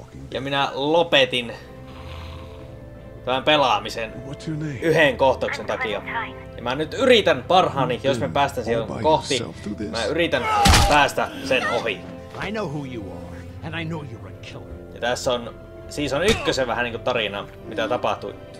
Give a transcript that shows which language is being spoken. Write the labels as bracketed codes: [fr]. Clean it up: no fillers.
[fi] Ja minä lopetin tämän pelaamisen yhden kohtauksen takia. Ja mä nyt yritän parhaani, jos mä päästän siihen kohti. Mä yritän päästä sen ohi. [en] I know who you are, and I know you're a killer. [fi] Ja tässä on Season 1 vähän niinku tarina, mitä tapahtui.